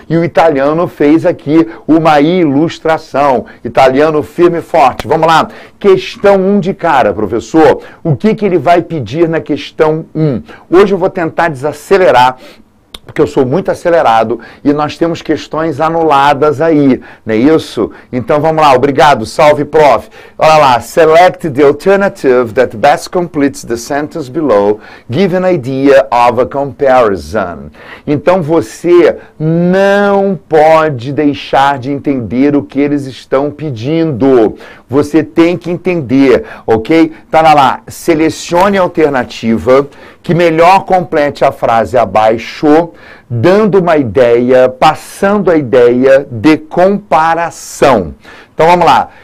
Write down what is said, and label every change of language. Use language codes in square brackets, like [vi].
[pt] E o italiano fez aqui uma ilustração, italiano firme e forte, vamos lá, questão 1 de cara, professor, o que que ele vai pedir na questão 1? Hoje eu vou tentar desacelerar, porque eu sou muito acelerado e nós temos questões anuladas aí, não é isso? Então vamos lá, obrigado, salve prof. Olha lá, [en] select the alternative that best completes the sentence below, give an idea of a comparison. [pt] Então você não pode deixar de entender o que eles estão pedindo. Você tem que entender, ok? Tá lá, selecione a alternativa que melhor complete a frase abaixo, dando uma ideia, passando a ideia de comparação. Então vamos lá.